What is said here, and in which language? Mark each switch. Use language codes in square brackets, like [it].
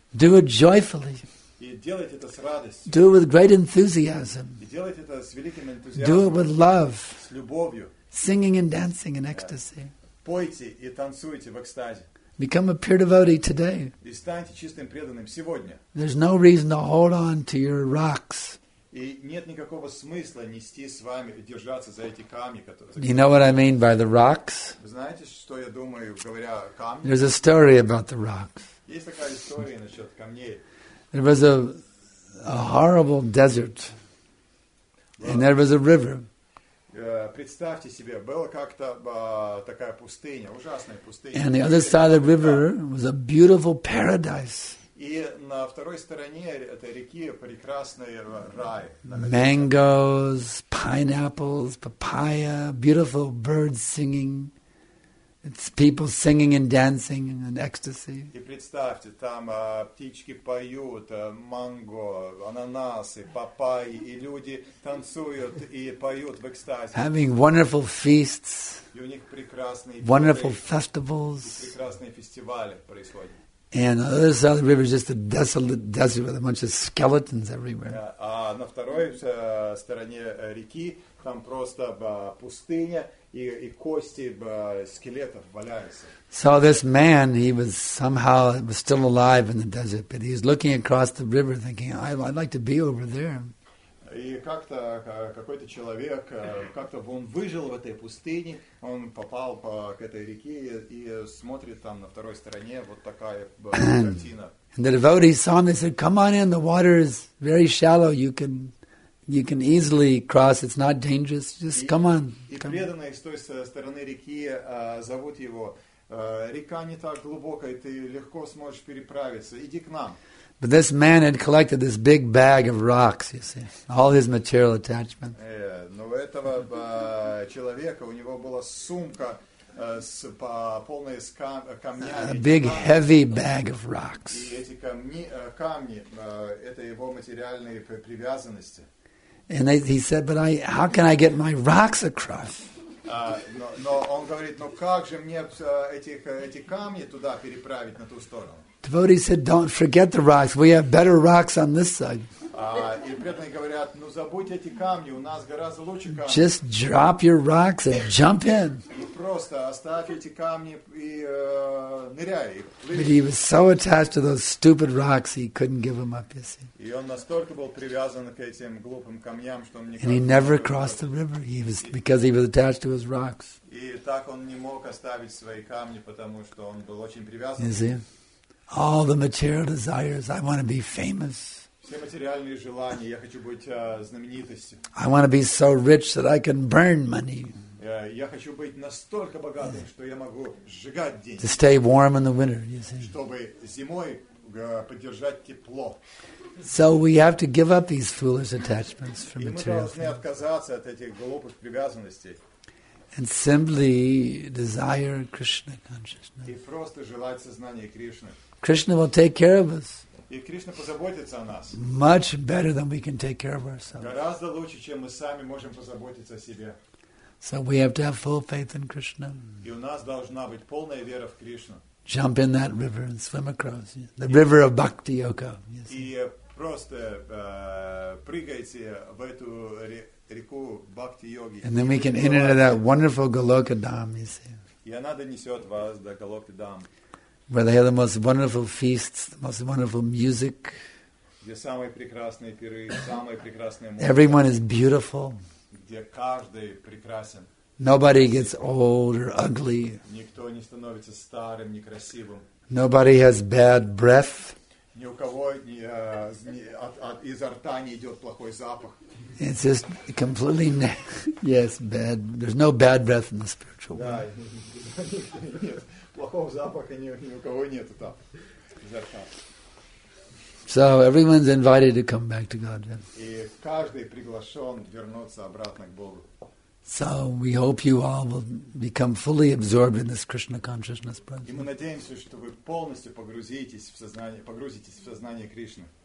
[en] Do it joyfully. [ru] И делайте это с радостью. [en] Do it with great enthusiasm. [ru] И делайте это с великим энтузиазмом. [en] Do it with love. [ru] С любовью. [en] Singing and dancing in ecstasy. [ru] Пойте и танцуйте в экстазе. [en] Become a pure devotee today. [ru] И станьте чистым преданным сегодня. [en] There's no reason to hold on to your rocks. [ru] И нет никакого смысла нести с вами, держаться за эти камни, которые... [en] You know what I mean by the rocks? [ru] Вы знаете, что я думаю, говоря о камнях? [en] There's a story about the rocks. [ru] Есть такая история насчет камней. [en] There was a horrible desert, and there was a river. [ru] Представьте себе, была как-то такая пустыня, ужасная пустыня. [en] And the other side of the river was a beautiful paradise. [ru] И на второй стороне этой реки прекрасный рай. [en] Mangoes, pineapples, papaya, beautiful birds singing. It's people singing and dancing in ecstasy. [ru] И представьте, там птички поют, манго, ананасы, папайи, и люди танцуют и поют в экстазе. [en] Having wonderful feasts. [ru] И у них прекрасные фестивали. [en] Wonderful festivals. [ru] Прекрасные фестивали происходят. [en] And on the other side of the river is just a desolate desert with a bunch of skeletons everywhere. [ru] На второй стороне реки там просто пустыня и кости скелетов валяются. [en] So this man, he was somehow was still alive in the desert, but he's looking across the river, thinking, "I'd like to be over there." [ru] И как-то какой-то человек как-то он выжил в этой пустыне, он попал к этой реке и смотрит там на второй стороне вот такая картина. [en] And the devotees saw him. They said, "Come on in. The water is very shallow. You can easily cross. It's not dangerous. Just come on." [ru] И преданные с той стороны реки зовут его. Река не так глубокая, ты легко сможешь переправиться. Иди к нам. [en] But this man had collected this big bag of rocks, you see, all his material attachments. [ru] Но у этого человека у него была сумка с полная с камнями. [en] A big heavy bag of rocks. [ru] И эти камни это его материальные привязанности. [en] And he said, "But how can I get my rocks across?" [ru] Но он говорит, "Но как же мне эти камни туда переправить на ту сторону?" [en] Devotees said, "Don't forget the rocks. We have better rocks on this side." [ru] И преданные говорят, "Ну забудьте эти камни, у нас гораздо лучше камни." [en] Just drop your rocks and jump in. [ru] И просто оставь эти камни и ныряй. [en] But he was so attached to those stupid rocks, he couldn't give them up. You see. [ru] И он настолько был привязан к этим глупым камням, что он никак. [en] And he never crossed the river. He was because he was attached to his rocks. [ru] И так он не мог оставить свои камни, потому что он был очень привязан. [en] You see. All the material desires. I want to be famous. [ru] Все материальные желания. Я хочу быть знаменитостью. [en] I want to be so rich that I can burn money. [ru] Я хочу быть настолько богатым, что я могу сжигать деньги. [en] To stay warm in the winter, you see. [ru] Чтобы зимой поддержать тепло. [en] So we have to give up these foolish attachments for material things. [ru] И мы должны отказаться от этих глупых привязанностей. [en] And simply desire Krishna consciousness. [ru] И просто желать сознания Кришны. [en] Krishna will take care of us. [ru] И Кришна позаботится о нас. [en] Much better than we can take care of ourselves. [ru] Гораздо лучше, чем мы сами можем позаботиться о себе. [en] So we have to have full faith in Krishna. [ru] И у нас должна быть полная вера в Кришну. [en] Jump in that river and swim across the river of Bhakti Yoga. [ru] И просто прыгайте в эту реку Бхакти Йоги. [en] And then we can enter into that wonderful Goloka Dham, you see. [ru] И она донесет вас до Goloka Dham. [en] Where they have the most wonderful feasts, the most wonderful music. [ru] Где самые прекрасные пиры, самые прекрасные музыки. [en] Everyone is beautiful. [ru] Где каждый прекрасен. [en] Nobody gets old or ugly. [ru] Никто не становится старым, некрасивым. [en] Nobody has bad breath. [ru] Ни у кого изо рта не идет плохой запах. [en] It's just completely yes, bad. There's no bad breath in the spiritual world. [ru] Да, плохого запаха ни у кого нету там изо рта. [en] So everyone's invited to come back to God. [ru] И каждый приглашен вернуться обратно к Богу. [en] So we hope you all will become fully absorbed in this Krishna consciousness process. [ru] И мы надеемся, что вы полностью погрузитесь в сознание Кришны.